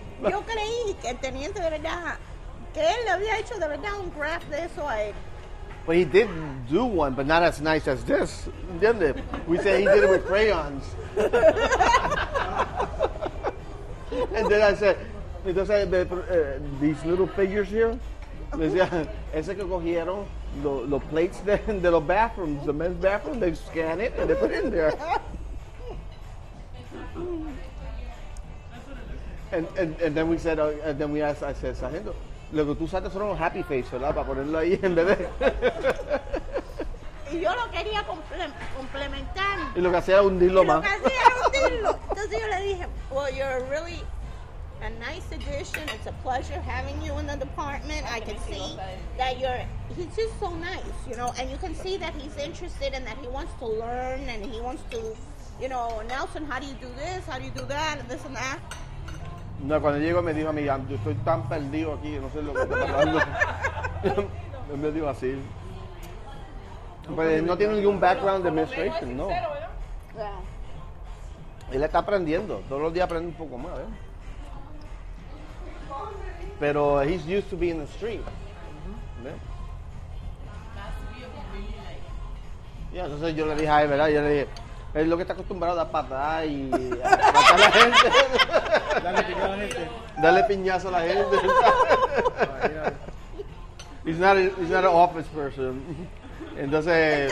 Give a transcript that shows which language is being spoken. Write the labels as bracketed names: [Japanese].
[Spanish] Yo creí que el teniente de verdad, que él le había hecho de verdad un craft de eso a él. [English] Well, he did do one, but not as nice as this. Didn't it? We said he did it with crayons. And then I said, [Spanish] entonces, [English] these little figures here, [Spanish] decía, ese que cogieron [English] the plates [Spanish] de los [English] bathrooms, the men's bathroom, they scan it and they put it in there. And then we said, and then we asked, I said, [Spanish] Sargento, lo que tú usaste son los [English] happy face, [Spanish] ¿verdad? Para ponerlo ahí en vez de... Y yo lo quería complementar. Y lo que hacía era hundirlo más. Y lo que hacía era hundirlo. Entonces yo le dije, [English] well, you're really a nice addition. It's a pleasure having you in the department. I can see that he's just so nice, you know. And you can see that he's interested and that he wants to learn and he wants to, you know, Nelson, how do you do this? How do you do that? And this and that. [Spanish] No, cuando llego me dijo a mí, yo estoy tan perdido aquí, no sé lo que está hablando. Él me dijo así. Pues él no tiene ningún background de administration, no. Él está aprendiendo, todos los días aprende un poco más, ¿eh? Pero [English] he's used to being in the street. ¿Eh? [Spanish] Yeah, entonces yo le dije a él, ¿verdad? Yo le dije... Es lo que está acostumbrado a dar patadas y a matar a la gente. Dale piñazo a la gente. Dale piñazo a la gente. [English] He's not an office person. [Spanish] Entonces